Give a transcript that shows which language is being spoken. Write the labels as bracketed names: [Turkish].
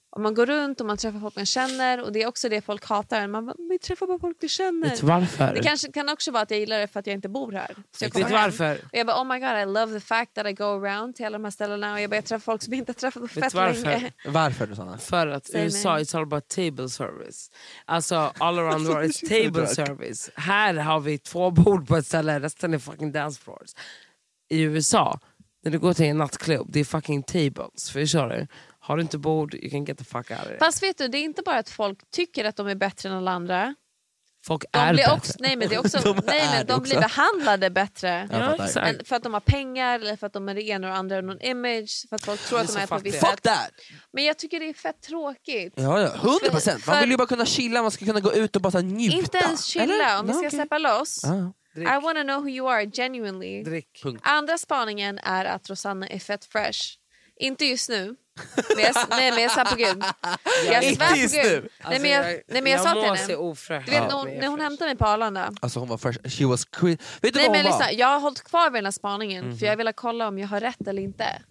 [Swedish] Om man går runt och man träffar folk man känner, och det är också det folk hatar. Man träffar bara folk du känner. Vet varför? Det kanske kan också vara att jag gillar det för att jag inte bor här. Vet varför? Och jag bara, [English] oh my god, I love the fact that I go around [Swedish] till alla de här ställena. Och jag bara, jag träffar folk som inte träffar på fett varför? Länge. Varför, Susanna? För att i USA, [English] it's all about table service. Alltså, all around the world is table service. [Swedish] Här har vi två bord på ett ställe, resten är fucking dance floors. I USA, när du går till en nattklubb, det är fucking tables. För jag kör det. Har du inte bord, [English] you can get the fuck out of it. [Swedish] Fast vet du, det är inte bara att folk tycker att de är bättre än alla andra. Folk är bättre. De blir behandlade bättre. Ja, än för att de har pengar, eller för att de är det ena och andra, någon image. För att folk tror att de är på ett visst sätt. Fuck that! Men jag tycker det är fett tråkigt. Ja, ja. 100%. Man vill ju bara kunna chilla, man ska kunna gå ut och bara njuta. Inte ens chilla, eller? Om vi ska släppa loss. [English] Ah, I wanna know who you are, genuinely. [Swedish] Drick. Andra spaningen är att Rosanna är fett fresh. Inte just nu. När hon hämtade mig på Arlanda, alltså hon var fresh. [English] She was queen. [Swedish] Vet du vad, lyssna, jag har hållit kvar med den här spaningen. Mm-hmm. För jag ville kolla om jag har rätt eller inte.